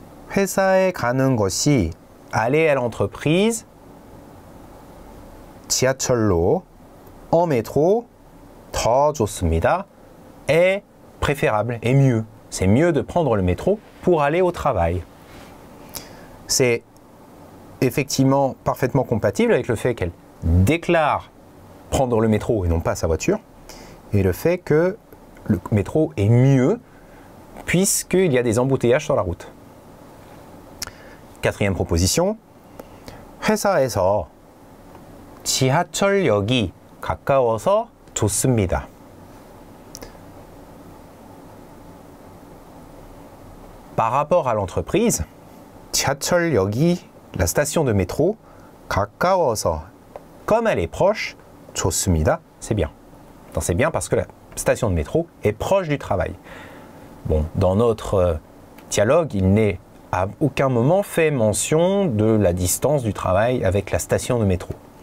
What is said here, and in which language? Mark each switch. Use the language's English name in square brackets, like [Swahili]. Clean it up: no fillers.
[Korean] 회사에 가는 것이 [French] aller à l'entreprise [Korean] 지하철로 [French] en métro [Korean] 더 좋습니다. [French] est préférable, est mieux. C'est mieux de prendre le métro pour aller au travail. C'est effectivement parfaitement compatible avec le fait qu'elle déclare prendre le métro et non pas sa voiture, et le fait que le métro est mieux puisqu'il y a des embouteillages sur la route. Quatrième proposition. [Korean] 회사에서 지하철역이 가까워서 좋습니다. [French] 'Par rapport à l'entreprise, [Korean] 지하철역이, [French] la station de métro, [Korean] 가까워서, [French] comme elle est proche, [Korean] 좋습니다, [French] c'est bien. Donc c'est bien parce que la station de métro est proche du travail. Bon, dans notre dialogue, il n'est à aucun moment fait mention de la distance du travail avec la station de métro.